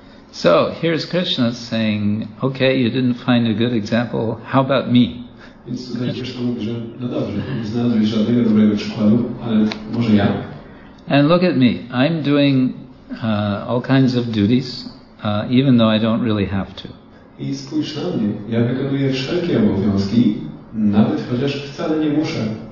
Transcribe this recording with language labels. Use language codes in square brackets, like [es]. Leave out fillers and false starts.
[en] So, here's Krishna saying, okay, you didn't find a good example, how about me? [pl] Więc tutaj Krishna mówi, że no dobrze, nie znalazłeś żadnego dobrego przykładu, ale może ja. [en] And look at me, I'm doing all kinds of duties, even though I don't really have to. [pl] I spójrz na mnie, ja wykonuję wszelkie obowiązki, nawet chociaż wcale nie muszę.